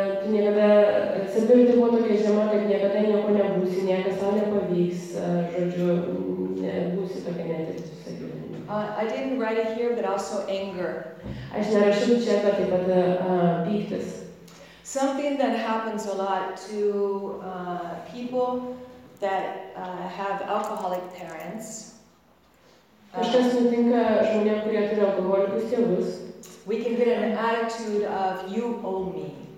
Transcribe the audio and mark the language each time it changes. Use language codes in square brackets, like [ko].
[lt] Savivertė buvo tokia žema, kad niekada nieko nebūsi, niekas tau nepavyks, žodžiu, nebūsi tokia netektis. [en] I didn't write it here, but also anger. [lt] Aš nerašiau čia, bet taip pat pyktis. [en] Something that happens a lot to people that have alcoholic parents. [lt] Kažkas nutinka žmonėm, kurie turi alkoholikus tėvus. [en] We can get an attitude of you owe me.